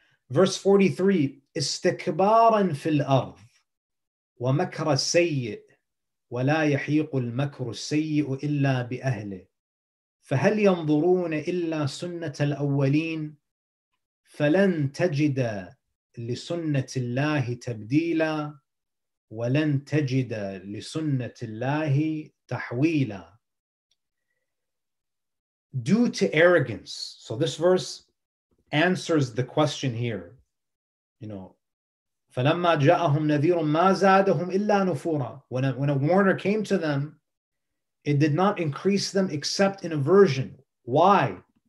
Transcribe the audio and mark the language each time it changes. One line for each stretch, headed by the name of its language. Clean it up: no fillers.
English: Verse 43,
Arabic: استكباراً في الأرض ومكر سيء وَلَا يَحِيقُ الْمَكْرُ السَّيِّئُ إِلَّا بِأَهْلِهِ فَهَلْ يَنْظُرُونَ إِلَّا سُنَّةَ الْأَوَّلِينَ فَلَنْ تَجِدَ لِسُنَّةِ اللَّهِ تَبْدِيلًا وَلَنْ تَجِدَ لِسُنَّةِ اللَّهِ تَحْوِيلًا.
English: Due to arrogance. So this verse answers the question here. You know,
Arabic: فَلَمَّا جَاءَهُمْ نَذِيرٌ مَا زَادَهُمْ إِلَّا نُفُورًا.
English: When a warner came to them, it did not increase them except in aversion. Why?